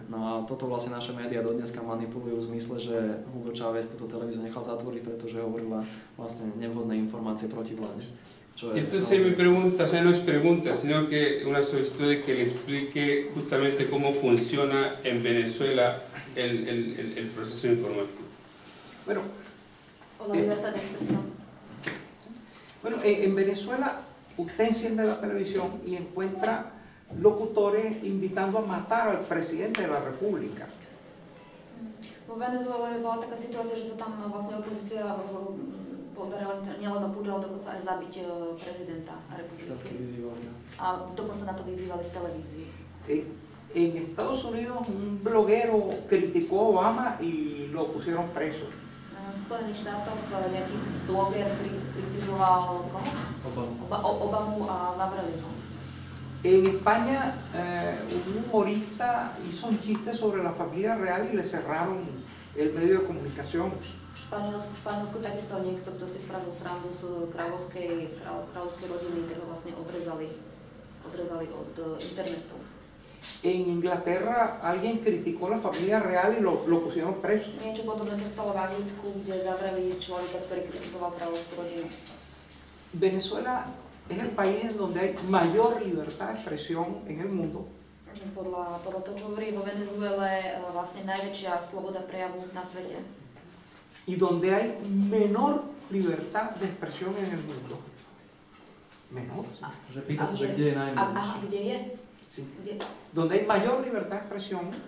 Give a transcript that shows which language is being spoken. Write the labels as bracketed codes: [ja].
[sk] No a toto vlastne naše médiá dodneska manipulujú v zmysle, že Hugo Chávez túto televíziu nechal zatvoriť, pretože hovorila vlastne nevhodné informácie proti vláde. [es] Entonces mi pregunta, o sea, no es pregunta, sino que una solicitud de que le explique justamente cómo funciona en Venezuela el proceso informático. Bueno, o la libertad de expresión. Bueno, en Venezuela usted enciende la televisión y encuentra locutores invitando a matar al presidente de la República. [sk] Vo Venezuele bola taká situácia, že sa tam vlastne opozícia podarila nielen púč, ale dokonca aj zabiť prezidenta republiky. A dokonca na to vyzývali v televízii. [es] En Estados Unidos un bloguero criticó a Obama y lo pusieron preso. [sk] V Spojených štátoch nejaký bloger kritizoval koho? Obamu a zabrali ho. [es] En España, un humorista hizo un chiste sobre la familia real y le cerraron el medio de comunicación. [sk] V Španielsku takisto niekto, kto si spravil srandu z kráľovskej rodiny, tak ho vlastne odrezali od internetu. [es] En Inglaterra alguien criticó la familia real y lo pusieron preso. [sk] Niečo podobné sa stalo v Anglicku, kde zavreli človeka, ktorý kritizoval kráľovskú rodinu. [es] Venezuela es el país donde hay mayor libertad de expresión en el mundo. [sk] Podľa toho, čo hovorí, vo Venezuele vlastne najväčšia sloboda prejavu na svete. [es] Y donde hay menor libertad de expresión en el mundo. Menor. Repita, ¿sí? ¿Dónde hay menos? Ah, ¿dónde hay? Sí. Donde hay mayor libertad de expresión.